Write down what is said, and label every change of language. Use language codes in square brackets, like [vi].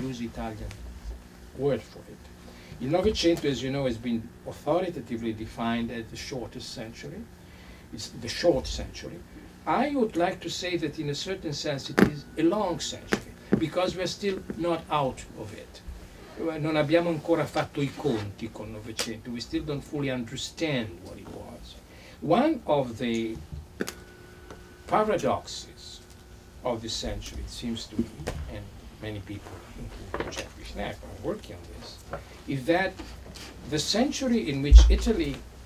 [en] I use Italian word for it. The Novecento, as you know, has been authoritatively defined as the shortest century. It's the short century. I would like to say that in a certain sense it is a long century, because we're still not out of it. [it] Non abbiamo ancora fatto I conti con Novecento. [en] We still don't fully understand what it was. One of the paradoxes of the century, it seems to me, and many people, including Jeffrey Schnapp, are working on this, is that the century in which Italy